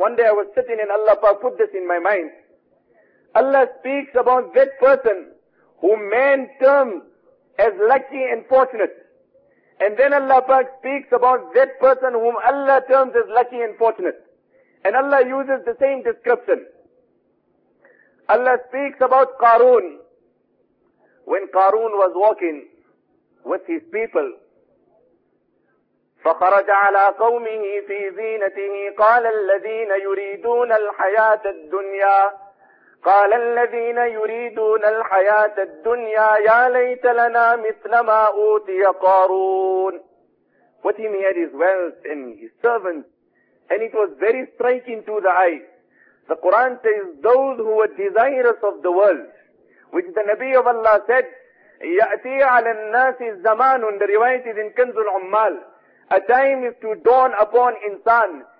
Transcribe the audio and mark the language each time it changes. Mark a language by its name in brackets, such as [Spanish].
[English] One day I was sitting and Allah Pak put this in my mind. Allah speaks about that person whom man terms as lucky and fortunate. And then Allah Pak speaks about that person whom Allah terms as lucky and fortunate. And Allah uses the same description. Allah speaks about Qarun. When Qarun was walking with his people, [Arabic] فخرج على قومه في زينته قال الذين يريدون الحياة الدنيا قال الذين يريدون الحياة الدنيا يا ليت لنا مثل ما أوتي قارون. [English] With him he had his wealth and his servants, and it was very striking to the eye. The Quran says those who were desirous of the world, which the Nabi of Allah said, [Arabic] يأتي على الناس الزمان, [English] the riwayat is in Kanz al-Ummal, a time is to dawn upon insan.